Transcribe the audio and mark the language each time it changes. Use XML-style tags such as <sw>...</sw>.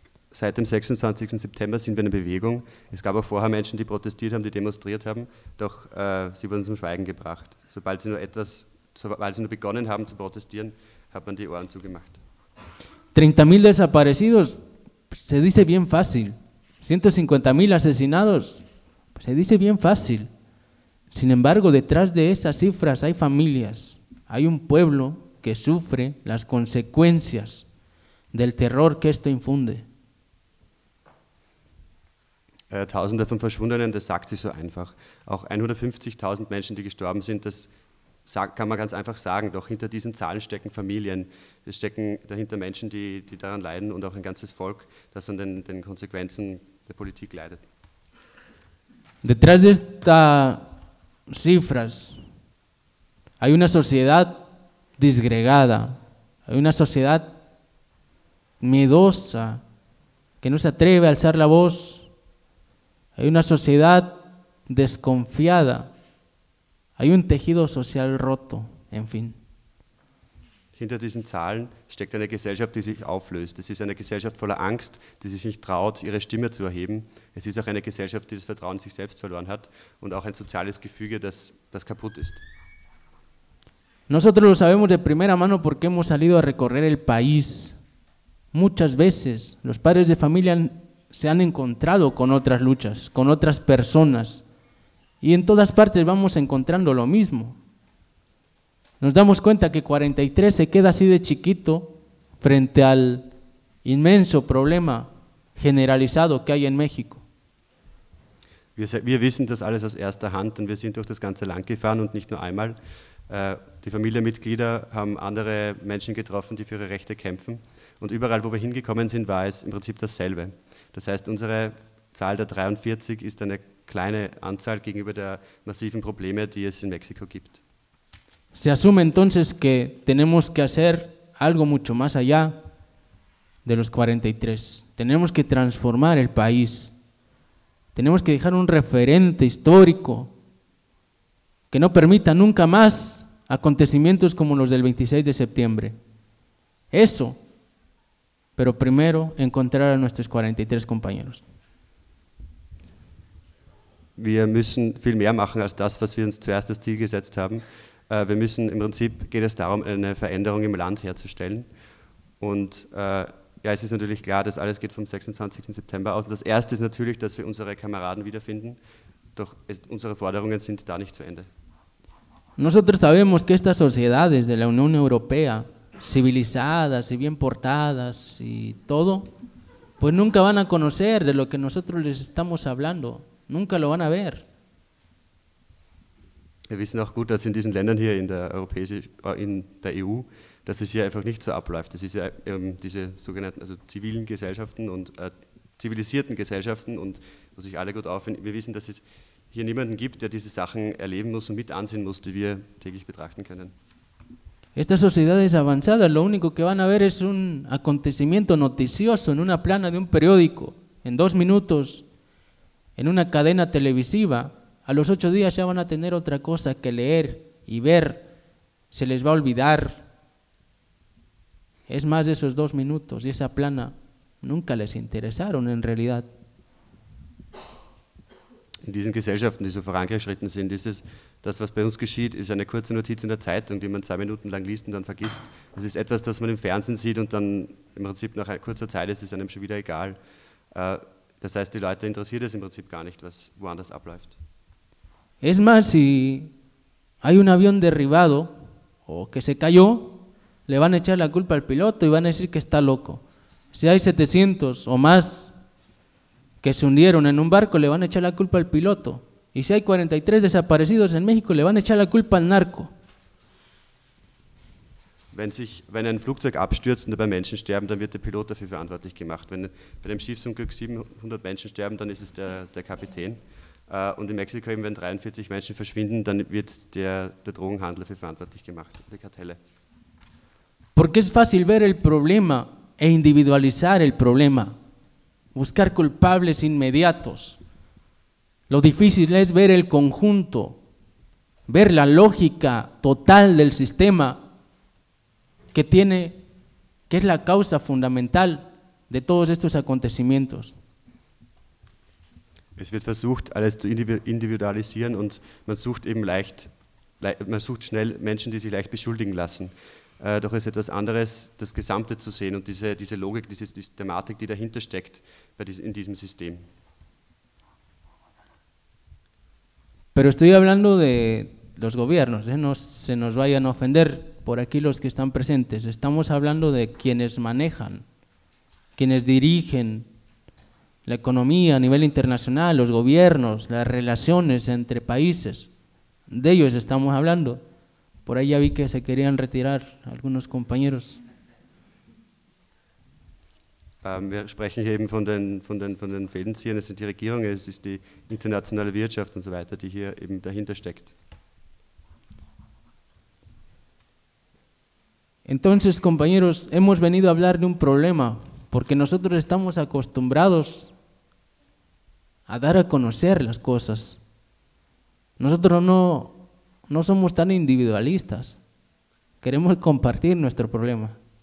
<de>Seit dem 26. September sind wir in Bewegung. Es gab auch vorher Menschen, die protestiert haben, die demonstriert haben, doch sie wurden zum Schweigen gebracht. Sobald sie nur begonnen haben zu protestieren, hat man die Ohren zugemacht.</de> <es>30.000 desaparecidos, se dice bien fácil. 150.000 asesinados, se dice bien fácil. Sin embargo, detrás de esas cifras hay familias, hay un pueblo que sufre las consecuencias del terror que esto infunde.</es> <de>Tausende von Verschwundenen, das sagt sich so einfach. Auch 150.000 Menschen, die gestorben sind, das kann man ganz einfach sagen. Doch hinter diesen Zahlen stecken Familien. Es stecken dahinter Menschen, die daran leiden und auch ein ganzes Volk, das an den Konsequenzen der Politik leidet.</de> <es>Detrás de estas cifras hay una sociedad disgregada, hay una sociedad miedosa que no se atreve a alzar la voz. Hay una sociedad desconfiada. Hay un tejido social roto, en fin.</es> <de>Hinter diesen Zahlen steckt eine Gesellschaft, die sich auflöst. Es ist eine Gesellschaft voller Angst, die sich nicht traut, ihre Stimme zu erheben. Es ist auch eine Gesellschaft, die das Vertrauen in sich selbst verloren hat und auch ein soziales Gefüge, das kaputt ist.</de> <es>Nosotros lo sabemos de primera mano porque hemos salido a recorrer el país. Muchas veces los padres de familia se han encontrado con otras luchas, con otras personas. Y en todas partes vamos encontrando lo mismo. Nos damos cuenta que 43 se queda así de chiquito frente al inmenso problema generalizado que hay en México.</es> <de>Wir wissen das alles aus erster Hand, denn wir sind durch das ganze Land gefahren und nicht nur einmal. Die Familienmitglieder haben andere Menschen getroffen, die für ihre Rechte kämpfen. Und überall, wo wir hingekommen sind, war es im Prinzip dasselbe. Das heißt, unsere Zahl der 43 ist eine kleine Anzahl gegenüber der massiven Probleme, die es in Mexiko gibt.</de> <es>Se asume entonces que tenemos que hacer algo mucho más allá de los 43. Tenemos que transformar el país. Tenemos que dejar un referente histórico que no permita nunca más acontecimientos como los del 26 de septiembre. Eso. Pero primero encontrar a nuestros 43 compañeros.</es> <de>Wir müssen viel mehr machen als das, was wir uns zuerst als Ziel gesetzt haben. Wir müssen, im Prinzip geht es darum, eine Veränderung im Land herzustellen. Und ja, es ist natürlich klar, dass alles geht vom 26. September aus. Und das Erste ist natürlich, dass wir unsere Kameraden wiederfinden. Doch unsere Forderungen sind da nicht zu Ende.</de> <es>Nosotros sabemos que estas sociedades de la Unión Europea, civilizadas y bien portadas y todo, pues nunca van a conocer de lo que nosotros les estamos hablando. Nunca lo van a ver.</es> <de>Wir wissen auch gut, dass in diesen Ländern hier in der EU, dass es hier einfach nicht so abläuft. Es ist ja diese sogenannten zivilen Gesellschaften und zivilisierten Gesellschaften und wo sich alle gut aufhören. Wir wissen, dass es hier niemanden gibt, der diese Sachen erleben muss und mit ansehen muss, die wir täglich betrachten können.</de> <es>Estas sociedades avanzadas lo único que van a ver es un acontecimiento noticioso en una plana de un periódico, en dos minutos, en una cadena televisiva. A los ocho días ya van a tener otra cosa que leer y ver. Se les va a olvidar Es más, esos dos minutos y esa plana nunca les interesaron en realidad.</es> <de>In diesen Gesellschaften, die so vorangeschritten sind, ist es, das, was bei uns geschieht, ist eine kurze Notiz in der Zeitung, die man 2 Minuten lang liest und dann vergisst. Es ist etwas, das man im Fernsehen sieht und dann im Prinzip nach kurzer Zeit ist es einem schon wieder egal. Das heißt, die Leute interessiert es im Prinzip gar nicht, was woanders abläuft.</de> <es>Es más, si hay un avión derribado o que se cayó, le van a echar la culpa al piloto y van a decir que está loco. Si hay 700 o más que se hundieron en un barco, le van a echar la culpa al piloto. Y si hay 43 desaparecidos en México, le van a echar la culpa al narco.</es> <de>Wenn ein Flugzeug abstürzt und dabei Menschen sterben, dann wird der Pilot dafür verantwortlich gemacht. Wenn bei dem Schiffsunglück 700 Menschen sterben, dann ist es der Kapitän. Und in Mexiko, eben, wenn 43 Menschen verschwinden, dann wird der Drogenhandel dafür verantwortlich gemacht, die Kartelle.</de> <es>Porque es fácil ver el problema e individualizar el problema. Buscar culpables inmediatos. Lo difícil es ver el conjunto, ver la lógica total del sistema que tiene, que es la causa fundamental de todos estos acontecimientos.</es> <de>Es wird versucht, alles zu individualisieren und man sucht eben leicht, man sucht schnell Menschen, die sich leicht beschuldigen lassen. Doch es ist etwas anderes, das Gesamte zu sehen und diese Logik, diese Systematik, die dahinter steckt in diesem System.</de> <es>Pero estoy hablando de los gobiernos, no se nos vayan a ofender por aquí los que están presentes. Estamos hablando de quienes manejan, quienes dirigen la economía a nivel internacional, los gobiernos, las relaciones entre países. De ellos estamos hablando. Por ahí ya vi que se querían retirar algunos compañeros.</es> <de>Wir sprechen hier eben von den Fädenziehern, es sind die Regierungen, es ist die internationale Wirtschaft und so weiter, die hier eben dahinter steckt.</de> <es>Entonces, compañeros, hemos venido a hablar de un problema, porque nosotros estamos acostumbrados a dar a conocer las cosas. Nosotros no somos tan individualistas, queremos compartir nuestro problema.</es>